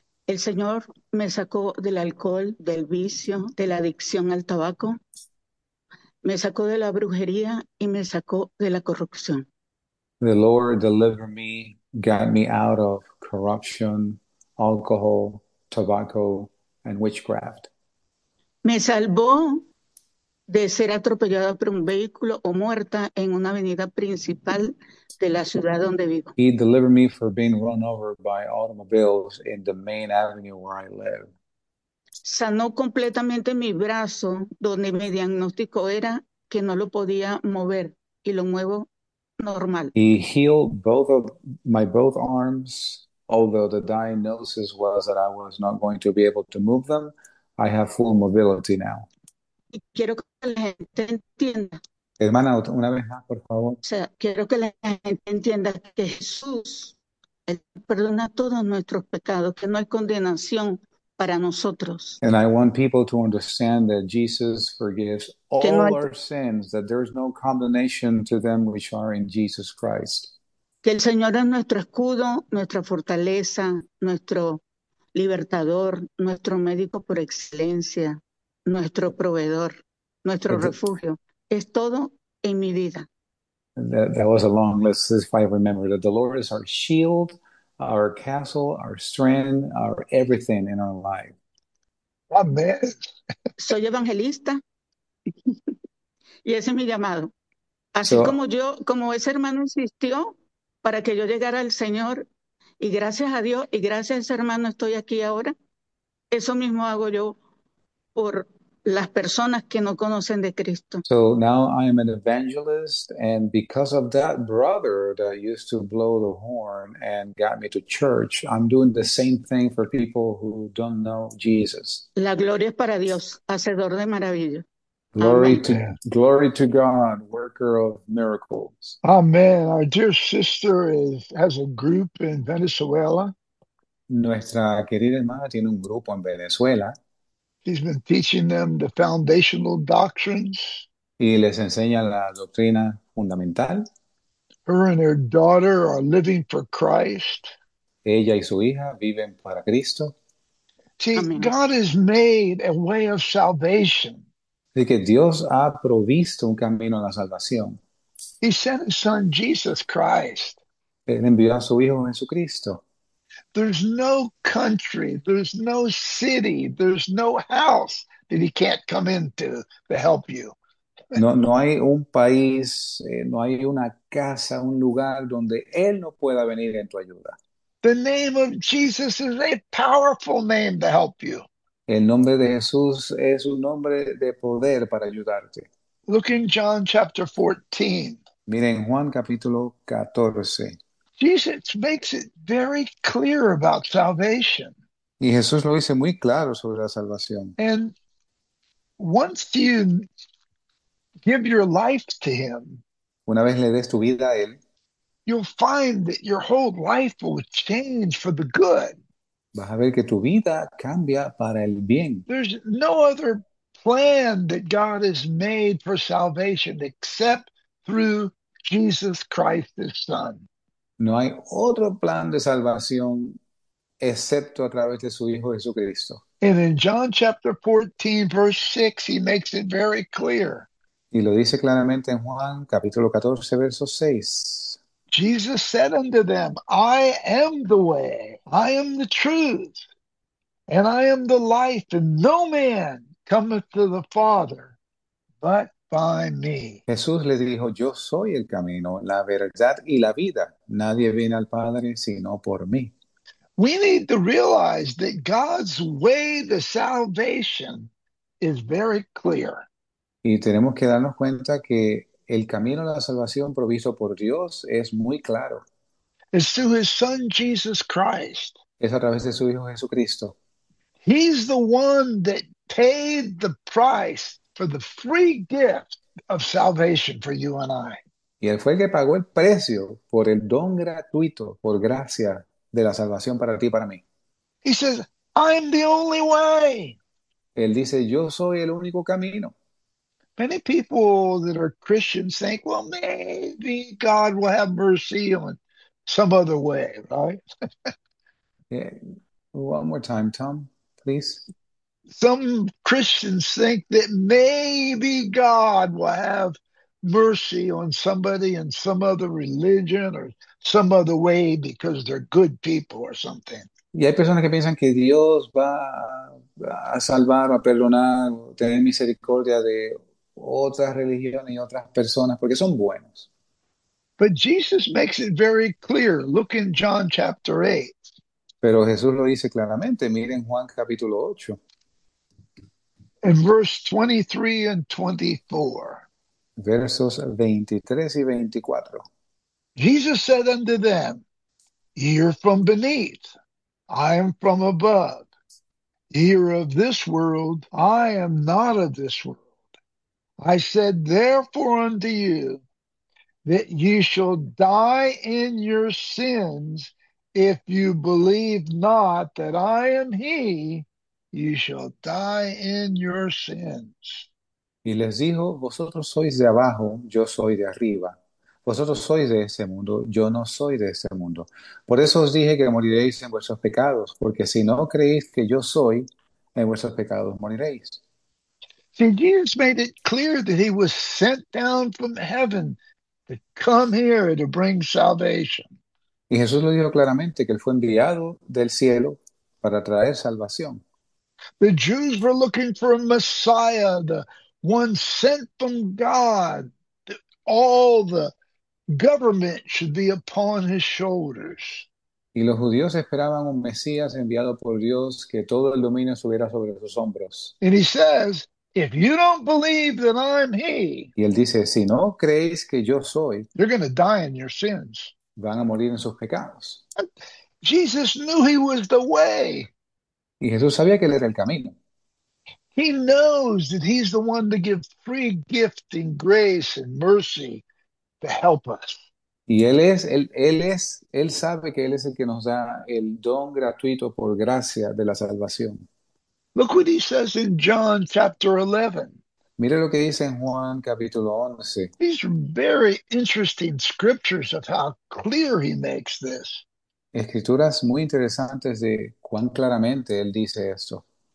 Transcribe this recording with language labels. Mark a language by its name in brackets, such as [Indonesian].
[Spanish] El Señor me sacó del alcohol, del vicio, de la adicción al tabaco, me sacó de la brujería y me sacó de la corrupción. [English] The Lord delivered me, got me out of corruption, alcohol, tobacco, and witchcraft. [Spanish] Me salvó de ser atropellada por un vehículo o muerta en una avenida principal de la ciudad donde vivo. [English] He delivered me from being run over by automobiles in the main avenue where I live. [Spanish] Sanó completamente mi brazo, donde mi diagnóstico era que no lo podía mover y lo muevo normal. [English] He healed both arms, although the diagnosis was that I was not going to be able to move them. I have full mobility now. [Spanish] Y quiero que la gente entienda. O Hermana, una vez más, por favor. sea, quiero que la gente entienda que Jesús, Él perdona todos nuestros pecados, que no hay condenación para nosotros. [English] And I want people to understand that Jesus forgives [Spanish] Que no [English] all [Spanish] hay [English] our sins, that there is no condemnation to them which are in Jesus Christ. [Spanish] que el Señor es nuestro escudo, nuestra fortaleza, nuestro libertador, nuestro médico por excelencia, nuestro proveedor, nuestro refugio. Es todo en mi vida. [English] That was a long list, if I remember, that the Lord is our shield, our castle, our strength, our everything in our life. [Spanish] Amén. Soy evangelista y ese es mi llamado. Así [English] So, [Spanish] como yo, como ese hermano insistió para que yo llegara al Señor, y gracias a Dios y gracias a ese hermano estoy aquí ahora, eso mismo hago yo por las personas que no conocen de Cristo. [English] now I am an evangelist, and because of that brother that used to blow the horn and got me to church, I'm doing the same thing for people who don't know Jesus. [Spanish] La gloria es para Dios, hacedor de maravillas. [English] Glory [Spanish] Amén. [English] to God, worker of miracles. [Spanish] Amén. [English] Our dear sister has a group in Venezuela. [Spanish] Nuestra querida hermana tiene un grupo en Venezuela [English] He's been teaching them the foundational doctrines. [Spanish] y les enseña la doctrina fundamental. [English] Her and her daughter are living for Christ. [Spanish] Ella y su hija viven para Cristo. [English] See, [Spanish] Amén. [English] God has made a way of salvation. [Spanish] De que Dios ha provisto un camino a la salvación. [English] He sent his son Jesus Christ. [Spanish] Él envió a su Hijo Jesucristo. [English] There's no country, there's no city, there's no house that he can't come into to help you. [Spanish] No hay un país, no hay una casa, un lugar donde Él no pueda venir en tu ayuda. [English] The name of Jesus is a powerful name to help you. [Spanish] El nombre de Jesús es un nombre de poder para ayudarte. [English] Look in John chapter 14. [Spanish] Miren Juan capítulo 14. [English] Jesus makes it very clear about salvation. [Spanish] Y Jesús lo dice muy claro sobre la salvación. [English] And once you give your life to him, [Spanish] Una vez le des tu vida a Él, [English] you'll find that your whole life will change for the good. [Spanish] vas a ver que tu vida cambia para el bien. [English] There's no other plan that God has made for salvation except through Jesus Christ, his son. [Spanish] No hay otro plan de salvación excepto a través de su Hijo Jesucristo. [English] And in John chapter 14, verse 6, he makes it very clear. [Spanish] Y lo dice claramente en Juan, capítulo 14, verso 6. [English] Jesus said unto them, I am the way, I am the truth, and I am the life, and no man cometh to the Father but by me. [Spanish] Jesús le dijo, yo soy el camino, la verdad y la vida. Nadie viene al Padre sino por mí. [English] We need to realize that God's way to salvation is very clear. [Spanish] Y tenemos que darnos cuenta que el camino a la salvación provisto por Dios es muy claro. [English] It's through his son Jesus Christ. [Spanish] Es a través de su Hijo Jesucristo. [English] He's the one that paid the price for the free gift of salvation for you and I. [Spanish] Y él fue el que pagó el precio por el don gratuito, por gracia de la salvación para ti y para mí. [English] He says, I'm the only way. [Spanish] Él dice, yo soy el único camino. [English] Many people that are Christians think, well, maybe God will have mercy on some other way, right? One more time, Tom, please. Some Christians think that maybe God will have mercy on somebody in some other religion or some other way because they're good people or something. [Spanish] Y hay personas que piensan que Dios va a salvar o a perdonar o tener misericordia de otras religiones y otras personas porque son buenos. [English] But Jesus makes it very clear. Look in John chapter 8. [Spanish] Pero Jesús lo dice claramente. Miren Juan capítulo 8. [English] In verse 23 and 24. [Spanish] Versos 23 y 24. [English] Jesus said unto them, ye are from beneath, I am from above. Ye are of this world, I am not of this world. I said therefore unto you, that ye shall die in your sins, if you believe not that I am he, you shall die in your sins. [Spanish] Y les dijo, vosotros sois de abajo, yo soy de arriba. Vosotros sois de ese mundo, yo no soy de ese mundo. Por eso os dije que moriréis en vuestros pecados, porque si no creéis que yo soy, en vuestros pecados moriréis. [English] See, Jesus made it clear that he was sent down from heaven to come here to bring salvation. [Spanish] Y Jesús lo dijo claramente, que él fue enviado del cielo para traer salvación. [English] The Jews were looking for a Messiah, the one sent from God, that all the government should be upon his shoulders. [Spanish] Y los judíos esperaban un Mesías enviado por Dios que todo el dominio estuviera sobre sus hombros. [English] And he says, if you don't believe that I'm he, [Spanish] y él dice, si no creéis que yo soy, [English] you're going to die in your sins. [Spanish] Van a morir en sus pecados. [English] And Jesus knew he was the way. [Spanish] Y Jesús sabía que él era el camino. [English] He knows that he's the one to give free gift and grace and mercy to help us. [Spanish] Y él sabe que él es el que nos da el don gratuito por gracia de la salvación. [English] Look what he says in John chapter 11. [Spanish] Mire lo que dice en Juan capítulo 11. [English] These are very interesting scriptures of how clear he makes this. [Spanish] Escrituras muy interesantes de cuán claramente él dice esto.